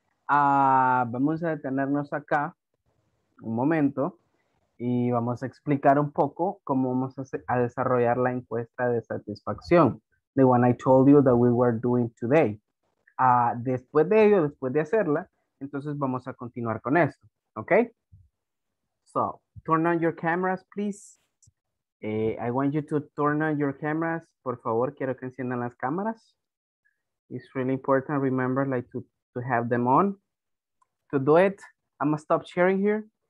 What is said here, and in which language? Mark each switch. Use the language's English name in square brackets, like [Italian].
[Spanish] Vamos a detenernos acá un momento y vamos a explicar un poco cómo vamos a desarrollar la encuesta de satisfacción. [English] The one I told you that we were doing today. [Spanish] Después de ello, después de hacerla, entonces vamos a continuar con esto. [English] Okay? So, turn on your cameras, please. I want you to turn on your cameras. [Spanish] Por favor, quiero que enciendan las cámaras. [English] It's really important, remember, like to have them on. To do it, I'm gonna stop sharing here.